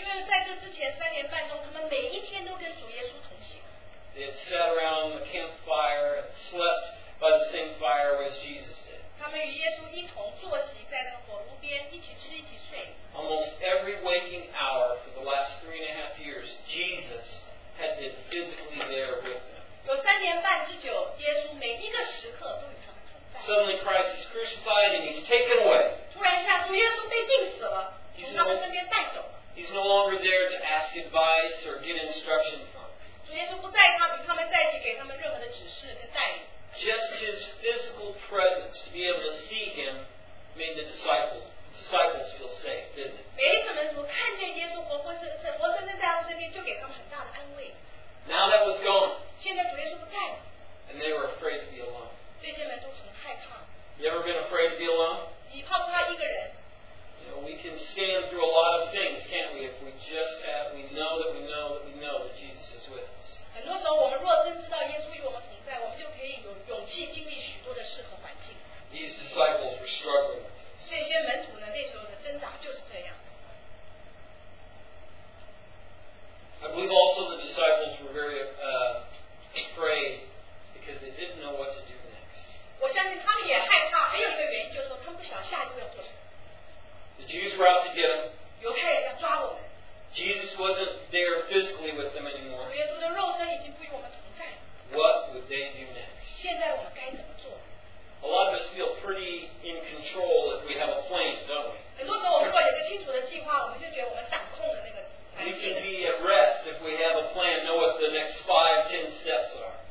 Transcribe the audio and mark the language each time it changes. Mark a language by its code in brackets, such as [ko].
[zh] 因为在这之前三年半中，他们每一天都跟主耶稣同行。 [en] They had sat around the campfire and slept by the same fire as Jesus did. [zh] 他们与耶稣一同坐席在那个火炉边，一起吃，一起睡。 [en] Almost every waking hour for the last 3.5 years, Jesus had been physically there with them. [zh] 有三年半之久，耶稣每一个时刻都与他们同在。 [en] Suddenly Christ is crucified and he's taken away. [zh] 突然一下，主耶稣被钉死了，从他们身边带走了。 [en] He's no longer there to ask advice or get instruction from. [zh] 主耶稣不在他，与他们在一起，给他们任何的指示跟带领。 [en] Just his physical presence, to be able to see him, made the disciples feel safe, didn't it? [zh] 每一次门徒看见耶稣活生生在他身边，就给他们很大的安慰。 [en] Now that was gone. [zh] 现在主耶稣不在了。 [en] And they were afraid to be alone. [zh] 这些门徒很害怕。 [en] You ever been afraid to be alone? [zh] 你怕不怕一个人？ [en] You know, we can stand through a lot of things, can't we? If we just have, we know that we know that we know that Jesus is with us. [zh] 很多时候，我们若真知道耶稣与我们同在，我们就可以有勇气经历许多的事和环境。 [en] These disciples were struggling. [zh] 这些门徒呢，那时候的挣扎就是这样。 [en] I believe also the disciples were very afraid because they didn't know what to do next. [zh] 我相信他们也害怕，还有一个原因就是说，他们不晓得下一步要做什么。 [en] The Jews were out to get them. [zh] 犹太人要抓我们。 [en] Jesus wasn't there physically with them anymore. [zh] 主耶稣的肉身已经不与我们同在。 [en] What would they do next? [zh] 现在我们该怎么做？ [en] A lot of us feel pretty in control if we have a plan, don't we? [zh] 很多时候我们如果有个清楚的计划，我们就觉得我们掌控了那个环境。 [en] We can be at rest if we have a plan, know what the next 5-10 steps are.